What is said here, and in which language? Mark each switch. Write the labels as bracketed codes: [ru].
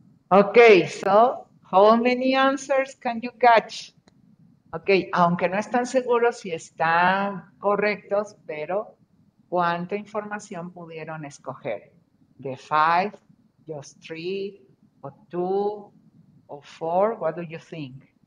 [en] Okay, so how many answers can you catch? [es] Okay, aunque no están seguros si están correctos, pero ¿cuánta información pudieron escoger? [en] The five, just three, or two, or four, what do you think?